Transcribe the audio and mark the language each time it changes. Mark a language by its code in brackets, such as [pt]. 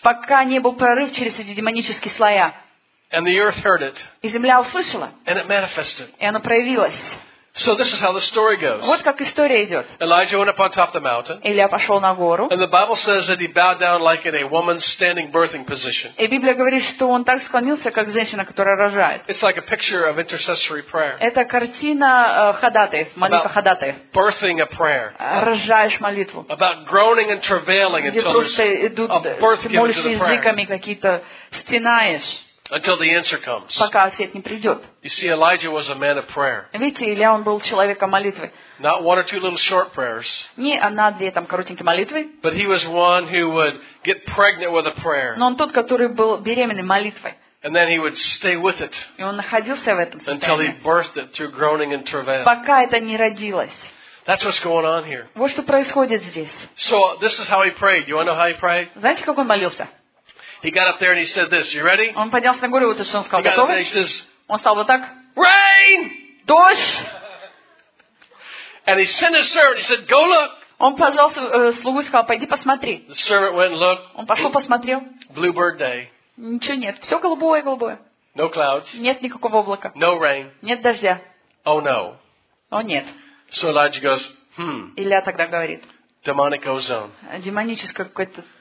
[ru] Пока не был прорыв через эти демонические слоя. [en] And the earth heard it. [ru] И земля услышала. [en] And it manifested. [ru] И оно проявилось. [en] So this is how the story goes. [ru] Вот как история идет. [en] Elijah went up on top of the mountain. [ru] Илия пошел на гору. [en] And the Bible says that he bowed down like in a woman standing birthing position. [ru] И Библия говорит, что он так склонился, как женщина, которая рожает. [en] It's like a picture of intercessory prayer. [ru] Это картина ходатай, молитва ходатай. [en] Birthing a prayer. [ru] Рожаешь молитву. [en] About groaning and travailing until there's a birth given to the prayer. [ru] Где просто идут, молишься языками какие-то, стенаешь. [en] Until the answer comes. [ru] Пока ответ не придёт. [en] You see, Elijah was a man of prayer. [ru] Видите, Илия он был человеком молитвы. [en] Not one or two little short prayers. [ru] Не одна две там коротенькие молитвы. [en] But he was one who would get pregnant with a prayer. [ru] Но он тот, который был беременный молитвой. [en] And then he would stay with it. [ru] И он находился в этом. [en] Until he birthed it through groaning and travail. [ru] Пока это не родилось. [en] That's what's going on here. [ru] Вот что происходит здесь. [en] So this is how he prayed. You want to know how he prayed? [ru] Знаете, как он молился? [en] He got up there and he said this. You ready? [ru] Он поднялся на гору, вот что он сказал. Готов? [en] He says, [ru] он стал вот так. [en] Rain! [ru] Дождь! [en] And he sent his servant. He said, go look. [ru] Он позвал слугу и сказал, пойди посмотри. [en] The servant went and looked. [ru] Он пошел, посмотрел. [en] Bluebird day. [ru] Ничего нет. Все голубое, голубое. [en] No clouds. [ru] Нет никакого облака. [en] No rain. [ru] Нет дождя. [en] Oh no. [ru] О нет. [en] So Elijah goes, hmm. [ru] Илия тогда говорит. [en] Demonic ozone. [ru] Демоническое какое-то...